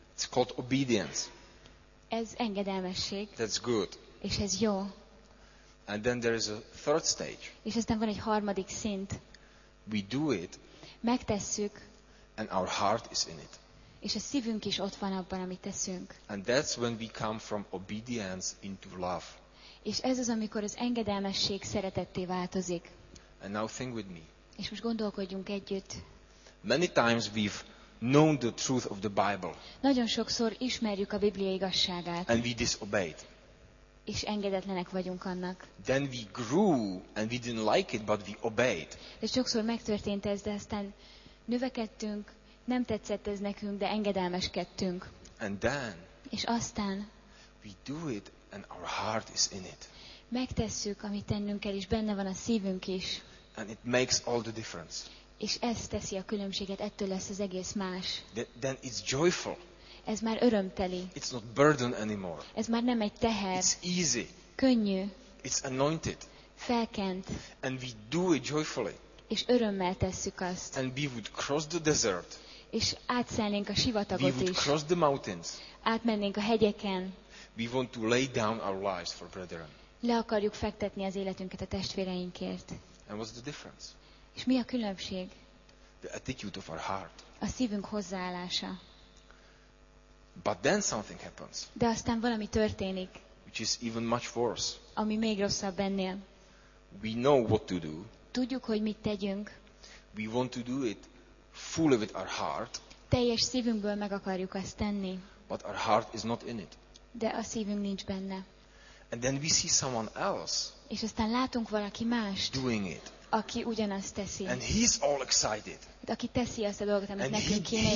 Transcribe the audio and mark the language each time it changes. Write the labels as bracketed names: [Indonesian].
[English] It's called obedience. [Hungarian] Ez engedelmesség. [English] That's good. [Hungarian] És ez jó. [English] And then there is a third stage. [Hungarian] És aztán van egy harmadik szint. [English] We do it. [Hungarian] Megtesszük. [English] And our heart is in it. [Hungarian] És a szívünk is ott van abban, amit teszünk. [English] And that's when we come from obedience into love. [Hungarian] És ez az, amikor az engedelmesség szeretetté változik. [English] And now think with me. [Hungarian] És most gondolkodjunk együtt. [English] Many times we've known the truth of the Bible. [Hungarian] Nagyon sokszor ismerjük a Biblia igazságát. [English] And we disobeyed. [Hungarian] És engedetlenek vagyunk annak. [English] Then we grew and we didn't like it, but we obeyed. [Hungarian] De sokszor megtörtént ez, de aztán növekedtünk, nem tetszett ez nekünk, de engedelmeskedtünk. [English] And then. [Hungarian] És aztán. [English] We do it and our heart is in it. [Hungarian] Megtesszük, amit tennünk kell, és benne van a szívünk is. [English] And it makes all the difference. [Hungarian] És ez teszi a különbséget, ettől lesz az egész más. [English] Then it's joyful. [Hungarian] Ez már örömteli. [English] It's not burden anymore. [Hungarian] Ez már nem egy teher. [English] It's easy. [Hungarian] Könnyű. [English] It's anointed. [Hungarian] Felkent. [English] And we do it joyfully. [Hungarian] És örömmel tesszük azt. [English] And we would cross the desert. [Hungarian] És átszelnénk a sivatagot is. [English] We would cross the mountains. [Hungarian] Átmennénk a hegyeken. [English] We want to lay down our lives for brethren. [Hungarian] Le akarjuk fektetni az életünket a testvéreinkért. [English] And what's the difference? [Hungarian] És mi a különbség? [English] The attitude of our heart. [Hungarian] A szívünk hozzáállása. [English] But then something happens. [Hungarian] De aztán valami történik. [English] Which is even much worse. [Hungarian] Ami még rosszabb ennél. [English] We know what to do. [Hungarian] Tudjuk, hogy mit tegyünk. [English] We want to do it fully with our heart. [Hungarian] Teljes szívünkből meg akarjuk ezt tenni. [English] But our heart is not in it. [Hungarian] De a szívünk nincs benne. [English] And then we see someone else. [Hungarian] És aztán látunk valaki mást. [English] Doing it. [Hungarian] Aki ugyanazt teszi. [English] And he's all excited. [Hungarian] De aki teszi azt a dolgot, amit [English] and [Hungarian] nekünk [English] he, [Hungarian] kéne, [English] he